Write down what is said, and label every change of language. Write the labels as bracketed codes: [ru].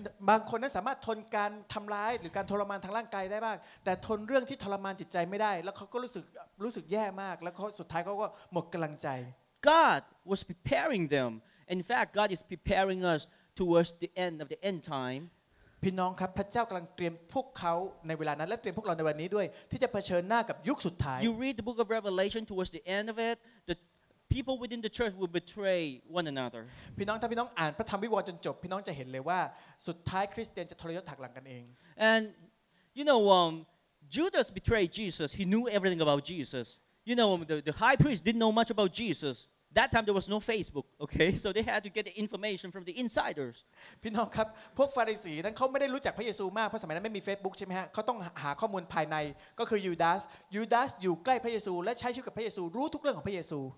[th] บางคนนั้นสามารถทนการทำร้ายหรือการทรมานทางร่างกายได้บ้างแต่ทนเรื่องที่ทรมานจิตใจไม่ได้แล้วเขาก็รู้สึกแย่มากแล้วสุดท้ายเขาก็หมดกำลังใจ [en] God was preparing them in fact God is preparing us towards the end of the end time [th] พี่น้องครับพระเจ้ากำลังเตรียมพวกเขาในเวลานั้นและเตรียมพวกเราในวันนี้ด้วยที่จะเผชิญหน้ากับยุคสุดท้าย [en] You read the book of Revelation towards the end of it thepeople within the church will betray one another [th] พี่น้องถ้าพี่น้องอ่านพระธรรมวิวรณ์จนจบพี่น้องจะเห็นเลยว่าสุดท้ายคริสเตียนจะทรยศหักหลังกันเอง [en] and you know Judas betrayed Jesus he knew everything about Jesus you know the high priest didn't know much about Jesus that time there was no Facebook okay so they had to get the information from the insiders [th] พี่น้องครับพวกฟาริสีนั้นเขาไม่ได้รู้จักพระเยซูมากเพราะสมัยนั้นไม่มี Facebook ใช่มั้ยฮะเขาต้องหาข้อมูลภายในก็คือยูดาสอยู่ใกล้พระเยซูและใช้ชีวิตกับพระเยซูรู้ทุกเรื่องของพระเยซู